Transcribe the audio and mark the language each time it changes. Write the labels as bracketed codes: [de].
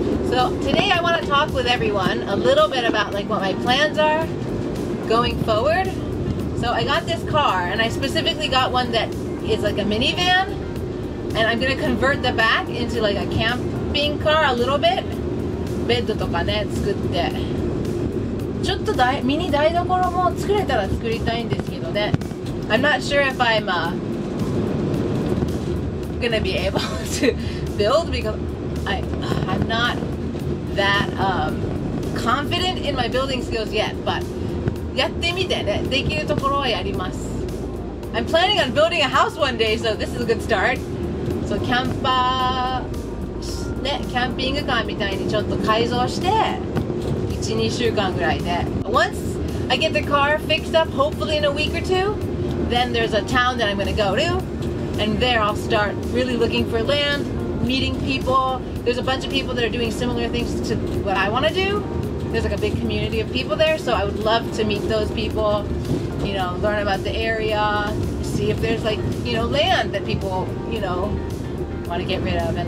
[en] So today I want to talk with everyone a little bit about like what my plans are going forward. So I got this car and I specifically got one that is like a minivan and I'm going to convert the back into like a camping car a little bit. [ja] ベッドとかね作ってちょっとミニ台所も作れたら作りたいんですけどね。 [en] I'm not sure if I'm gonna be able to build because I'm notthat confident in my building skills yet, but [ja] やってみてね、できるところはやります。 [en] I'm planning on building a house one day, so this is a good start. [ja] So キャンパー、ね、キャンピングカーみたいにちょっと改造して、1、2週間ぐらいで。 [en] Once I get the car fixed up, hopefully in a week or two, then there's a town that I'm gonna go to, and there I'll start really looking for land,meeting people. There's a bunch of people that are doing similar things to what I want to do. There's like a big community of people there, so I would love to meet those people, you know, learn about the area, see if there's like, you know, land that people, you know, want to get rid of.